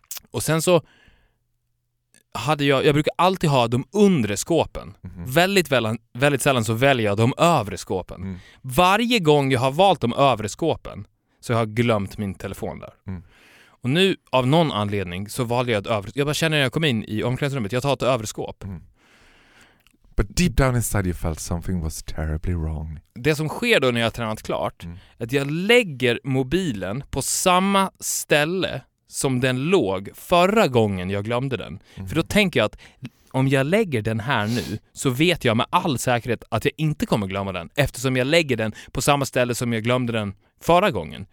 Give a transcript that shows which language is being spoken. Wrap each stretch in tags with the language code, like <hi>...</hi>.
<sv>Och sen så hade jag brukar alltid ha de undre skåpen. Mm-hmm. Väldigt, väldigt sällan så väljer jag de övre skåpen. Mm. Varje gång jag har valt de övre skåpen så jag har jag glömt min telefon där. Mm. Och nu av någon anledning så valde jag ett övre. Jag bara känner när jag kom in i omklädningsrummet, jag tar ett övre skåp. Mm.</sv> <en>But deep down inside you felt something was terribly wrong.</en> <sv>Det som sker då när jag har tränat klart är att jag lägger mobilen på samma ställe som den låg förra gången jag glömde den. Mm. För då tänker jag att om jag lägger den här nu så vet jag med all säkerhet att jag inte kommer glömma den. Eftersom jag lägger den på samma ställe som jag glömde den förra gången.</sv>